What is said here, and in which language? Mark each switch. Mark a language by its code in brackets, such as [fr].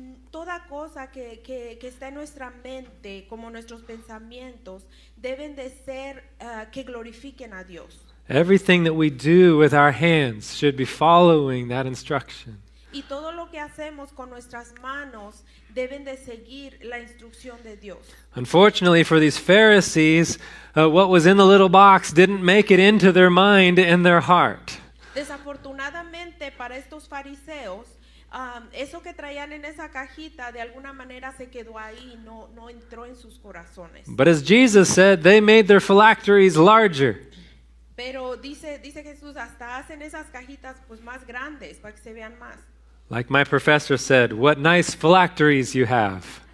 [es] Toda cosa que está en nuestra mente, como nuestros pensamientos, deben de ser que glorifiquen a Dios. [en] Everything that we do with our hands should be following that instruction. [es] Y todo lo que hacemos con nuestras manos deben de seguir la instrucción de Dios. [en] Unfortunately for these Pharisees, what was in the little box didn't make it into their mind and their heart. [es] Desafortunadamente para estos fariseos, eso que traían en esa cajita de alguna manera se quedó ahí, no entró en sus corazones. [en] But as Jesus said, they made their phylacteries larger. [es] Pero dice Jesús, hasta hacen esas cajitas pues más grandes para que se vean más. [en] Like my professor said, what nice phylacteries you have.